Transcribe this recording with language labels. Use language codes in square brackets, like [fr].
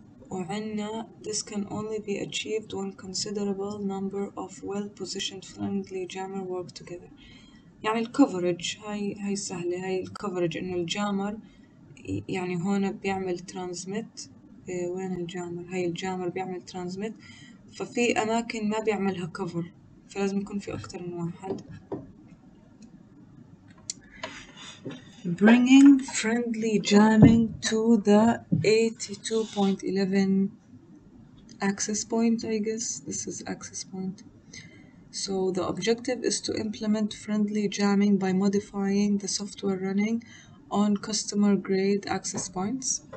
[ar] وعنا [en] this can only be achieved when considerable number of well-positioned friendly jammer work together. [ar] يعني الكفرج، هاي سهلة، هاي الكفرج، إنه الجامر يعني هون بيعمل ترانزميت. وين الجامر؟ هاي الجامر بيعمل ترانزميت، ففي أماكن ما بيعملها كفر، فلازم يكون في أكتر من واحد. [en] Bringing friendly jamming to the 82.11 access point, I guess. This is access point. So the objective is to implement friendly jamming by modifying the software running on customer grade access points.